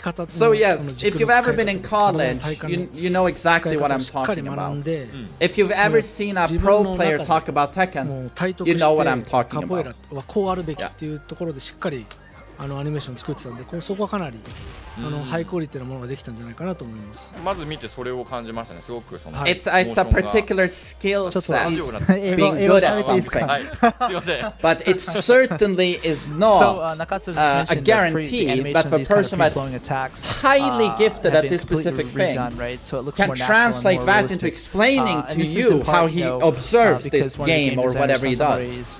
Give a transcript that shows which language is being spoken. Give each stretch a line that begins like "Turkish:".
English: So yes, if you've ever been in college, you know exactly what I'm talking about. If you've ever seen a pro player talk about Tekken, you know what I'm talking about. Yeah.
Japanese: あのアニメーション作ってたんで、こうそこはかなりあのハイクオリティなものができたんじゃないかなと思います。まず見てそれを感じましたね。すごくその、
English: はい、it's a particular skill set being good at something.
Japanese: すいません。
English: But it certainly is not a guarantee that the person that's highly gifted at this specific thing can translate that into explaining to you how he observes this game or whatever he does.